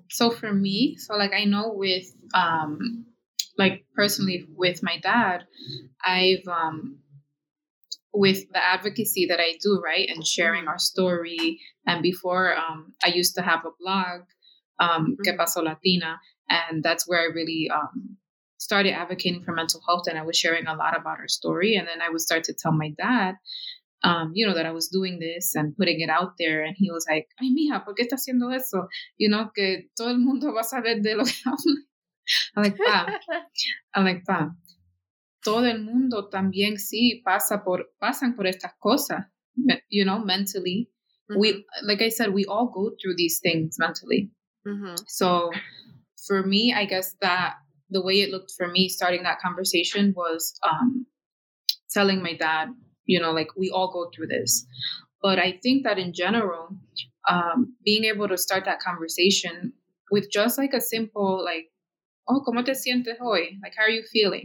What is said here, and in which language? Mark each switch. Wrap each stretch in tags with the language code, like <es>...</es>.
<en>So for me, so like I know with like personally with my dad, I've with the advocacy that I do, right, and sharing our story. And before I used to have a blog, Que Pasó Latina, and that's where I really started advocating for mental health, and I was sharing a lot about our story. And then I would start to tell my dad, you know, that I was doing this and putting it out there.</en> <es>And he was like, ay, mija, ¿por qué estás haciendo eso? You know, que todo el mundo va a saber de lo que</es> <en>I'm like,</en> <es>pa, todo el mundo también sí pasan por estas cosas, you know, mentally.</es> <en>Mm-hmm. Like I said, we all go through these things mentally. Mm-hmm. So for me, I guess that the way it looked for me starting that conversation was telling my dad, you know, like we all go through this. But I think that in general, being able to start that conversation with just like a simple, like, oh,</en> <es>¿cómo te sientes hoy?</es> <en>Like, how are you feeling?</en>